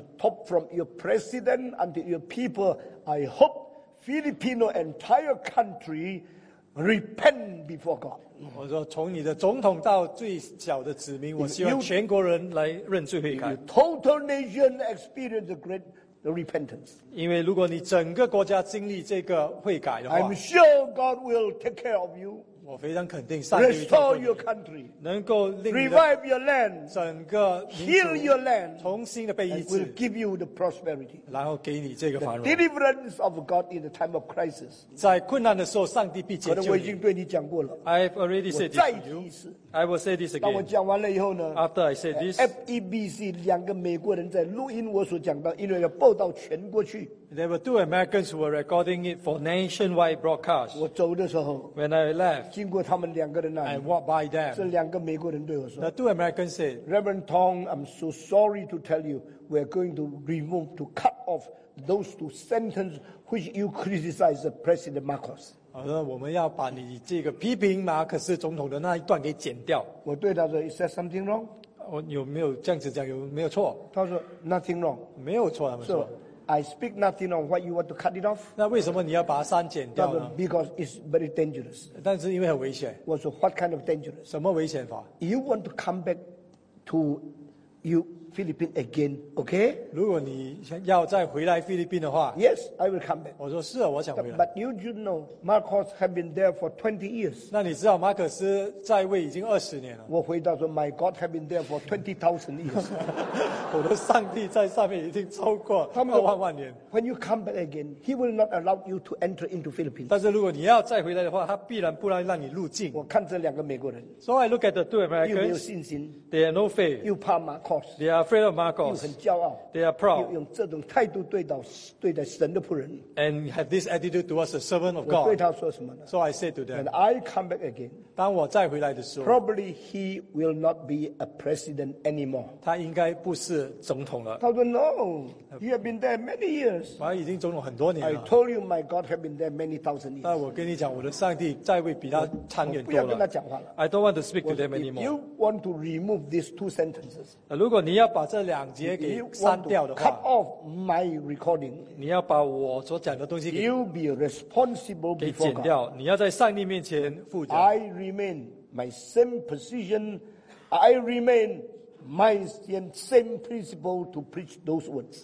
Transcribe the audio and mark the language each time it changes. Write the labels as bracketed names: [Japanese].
[English] top from your president until your people, I hope Filipino entire country repent before God. [Chinese] 我说从你的总统到最小的子民, 我希望全国人来认罪悔改。 [English] Total nation experience a great the repentance. [Chinese] 因为如果你整个国家经历这个悔改的话, [English] I'm sure God will take care of you. [Chinese] 我非常肯定, [English] restore your country. [Chinese] 能够令你的, [English] revive your land. [Chinese] 整个民族, [English] heal your land. [Chinese] 重新的被医治, [English] will give you the prosperity. [Chinese] 然后给你这个繁荣, [English] the deliverance of God in the time of crisis. [Chinese] 在困难的时候, 上帝必解救你。可能我已经对你讲过了, [English] I've already said this to you. I will say this again. [Chinese] 当我讲完了以后呢, [English] after I said this, [Chinese] FEBC 两个美国人在录音我所讲到, 因为要报到全国去。 [English] There were two Americans who were recording it for nationwide broadcast. [Chinese] 我走的时候, [English] when I left, [Chinese] 经过他们两个人那里, [English] I walked by them. [Chinese] 这两个美国人对我说, [English] the two Americans said, Reverend Tong, I'm so sorry to tell you, we're going to remove, to cut off those two sentences which you criticized President Marcos. [Chinese] 我们要把你这个批评马克思总统的那一段给剪掉。我对他说, [English] is there something wrong? [Chinese] 有没有这样子讲，有没有错？他说 [English] nothing wrong， [Chinese] 没有错。他们说 [English] so, I speak nothing wrong. Why you want to cut it off？ [Chinese] 那为什么你要把它删减掉呢 [English] ？Because it's very dangerous. [Chinese] 但是因为很危险。我说 [English] what kind of dangerous？ [Chinese] 什么危险法 [English] ？You want to come back to you Philippines again? Okay？ [Chinese] 如果你要再回来菲律宾的话 [English] ，Yes， I will come back. [Chinese] 我说是啊，我想回来。 [English] But you should know, Marcos have been there for 20 years. [Chinese] 那你知道马可斯在位已经二十年了。我回答说 [English] ，My God have been there for 20,000 years. [Chinese] 我的上帝在上面已经超过20,000年。 [English] When you come back again, he will not allow you to enter into Philippines. [Chinese] 但是如果你要再回来的话，他必然不能让你入境。我看这两个美国人。 [English] So I look at the two Americans. [Chinese] You 没有信心。 [English] They have no faith. [Chinese] You 怕 Marcos. [English] They are afraid of Marcos. [Chinese] You 很骄傲。 [English] They are proud. [Chinese] 用这种态度对待神的仆人。 [English] And have this attitude towards a servant of God. [Chinese] 我对他说什么呢 [English] ？So I said to them. When I come back again. [Chinese] 当我再回来的时候。 [English] Probably he will not be a president anymore. [Chinese] 他应该不是。总统了。他说 [English] ：“No, he has been there many years.” [Chinese] 他已经总统很多年了。 [English] I told you, my God has been there many thousand years. [Chinese] 那我跟你讲，我的上帝在位比他长远多了。我不要跟他讲话了。 [English] I don't want to speak to them anymore. If you want to remove these two sentences, [Chinese] 如果你要把这两节给删掉的话 [English] ，cut off my recording. [Chinese] 你要把我所讲的东西给 [English] ，you be responsible before God. [Chinese] 给剪掉，你要在上帝面前负责。 [English] I remain my same position. I remain. My same principle to preach those words.